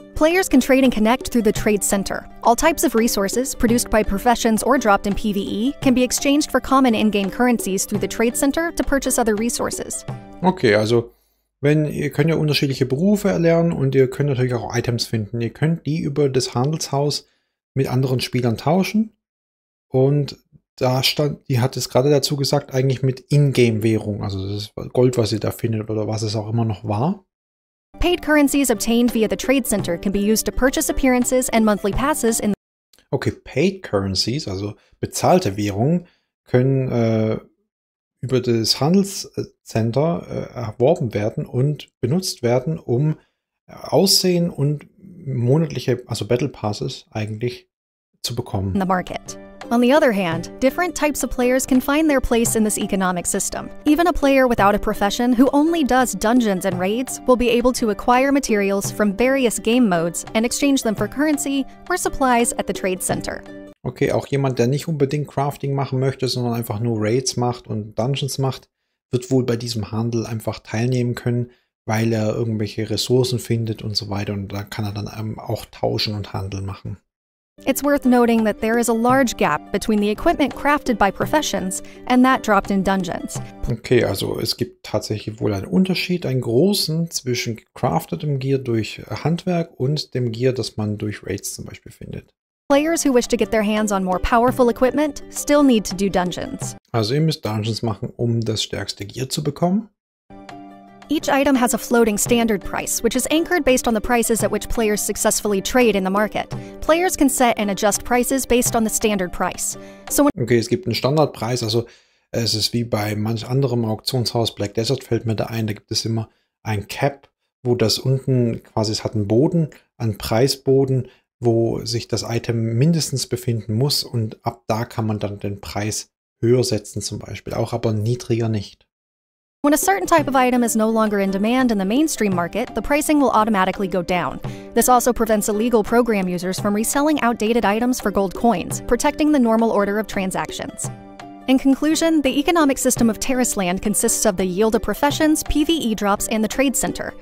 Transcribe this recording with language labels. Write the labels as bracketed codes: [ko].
[en] Players can trade and connect through the trade center. All types of resources, produced by professions or dropped in PvE, can be exchanged for common in-game currencies through the trade center to purchase other resources. [de] Okay, also, wenn ihr könnt ja unterschiedliche Berufe erlernen und ihr könnt natürlich auch Items finden. Ihr könnt die über das Handelshaus mit anderen Spielern tauschen und da stand, die hat es gerade dazu gesagt, eigentlich mit Ingame-Währung, also das ist Gold, was ihr da findet oder was es auch immer noch war. [en] Paid currencies obtained via the trade center can be used to purchase appearances and monthly passes in. [de] Okay, [en] paid currencies, [de] also bezahlte Währungen, können über das Handelscenter erworben werden und benutzt werden, um Aussehen und monatliche, also Battle Passes eigentlich zu bekommen. [en] In the market. On the other hand, different types of players can find their place in this economic system. Even a player without a profession who only does dungeons and raids will be able to acquire materials from various game modes and exchange them for currency or supplies at the trade center. [de] Okay, auch jemand, der nicht unbedingt Crafting machen möchte, sondern einfach nur Raids macht und Dungeons macht, wird wohl bei diesem Handel einfach teilnehmen können, weil er irgendwelche Ressourcen findet und so weiter. Und da kann er dann auch tauschen und Handel machen. [en] It's worth noting that there is a large gap between the equipment crafted by professions and that dropped in dungeons. [de] Okay, also es gibt tatsächlich wohl einen Unterschied, einen großen, zwischen gecraftetem Gear durch Handwerk und dem Gear, das man durch Raids zum Beispiel findet. [en] Players who wish to get their hands on more powerful equipment still need to do dungeons. [de] Also ihr müsst Dungeons machen, um das stärkste Gear zu bekommen. [en] Each item has a floating standard price, which is anchored based on the prices at which players successfully trade in the market. Players can set and adjust prices based on the standard price. So when [de] okay, es gibt einen Standardpreis, also es ist wie bei manch anderem Auktionshaus, Black Desert fällt mir da ein, da gibt es immer ein Cap, wo das unten quasi, es hat einen Boden, einen Preisboden, wo sich das Item mindestens befinden muss und ab da kann man dann den Preis höher setzen zum Beispiel, auch aber niedriger nicht. [en] When a certain type of item is no longer in demand in the mainstream market, the pricing will automatically go down. This also prevents illegal program users from reselling outdated items for gold coins, protecting the normal order of transactions. In conclusion, the economic system of Terrace Land consists of the Yield of Professions, PVE Drops, and the Trade Center.